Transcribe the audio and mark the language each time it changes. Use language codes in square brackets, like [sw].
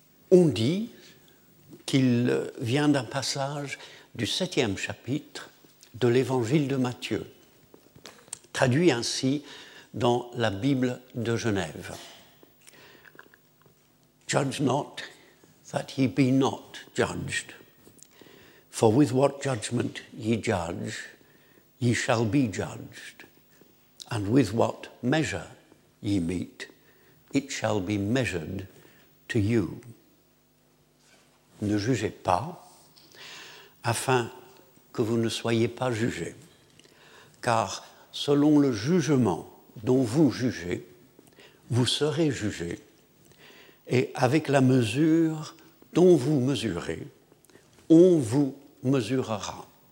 [fr] On dit qu'il vient d'un passage du 7e chapitre de l'Évangile de Matthieu, traduit ainsi dans la Bible de Genève. [en] Judge not that ye be not judged. For with what judgment ye judge, ye shall be judged. And with what measure ye meet, it shall be measured to you. [fr] Ne jugez pas, afin que vous ne soyez pas jugés. Car selon le jugement dont vous jugez, vous serez jugés. Et avec la mesure dont vous mesurez, on vous mesurera.